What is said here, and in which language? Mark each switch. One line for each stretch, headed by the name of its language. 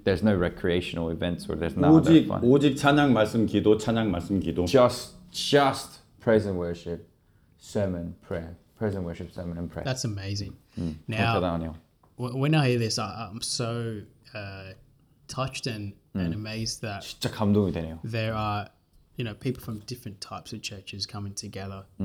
English: there's no recreational events or there's no
Korean: 오직
English: other fun.
Korean: 오직 찬양 말씀 기도 찬양 말씀 기도
English: Just praise and worship, sermon, prayer. Praise and worship, sermon, and prayer. That's amazing. Now, when I hear this, I'm so touched and amazed that
Korean: 진짜 감동이 되네요.
English: There are, you know, people from different types of churches coming together.